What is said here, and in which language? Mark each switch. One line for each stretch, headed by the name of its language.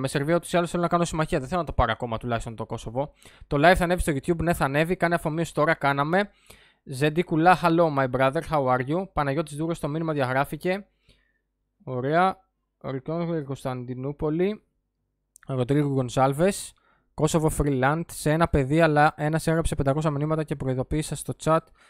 Greek: Με Σερβία ούτως ή άλλως θέλω να κάνω συμμαχία. Δεν θέλω να το πάρω ακόμα τουλάχιστον το Κόσοβο. Το live θα ανέβει στο YouTube. Ναι, θα ανέβει. Κάνε αφομοίωση τώρα, κάναμε.
English: Ζεντικουλά, hello my brother, how are you.
Greek: Παναγιώτης Δούρος, το μήνυμα διαγράφηκε. Ωραία. Ρικόνδρο Κωνσταντινούπολη. Ροντρίγκο Γκονσάλβες. Κόσοβο Freeland, σε ένα παιδί, αλλά ένας έγραψε 500 μηνύματα και προειδοποίησα στο chat.